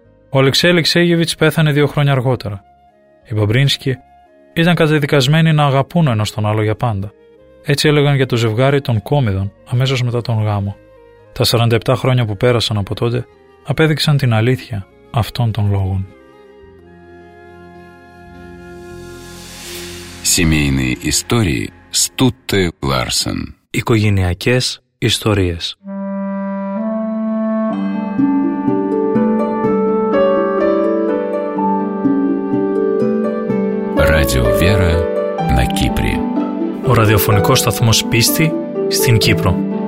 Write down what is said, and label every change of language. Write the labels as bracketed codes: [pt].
[el] Ο Αλεξέι Αλεξέιεβιτς πέθανε 2 χρόνια αργότερα. Οι Μπαμπρίνσκοι ήταν καταδικασμένοι να αγαπούν ο ένας τον άλλο για πάντα. Έτσι έλεγαν για το ζευγάρι των Κόμιδων αμέσως μετά τον γάμο. Τα 47 χρόνια που πέρασαν από τότε απέδειξαν την αλήθεια αυτών των λόγων. [ru] Семейные истории Стутте Ларсен. [el] Οικογενειακές ιστορίες. [ru] Радио Вера на Кипре. [el] Ο ραδιοφωνικός σταθμός Πίστη στην Κύπρο.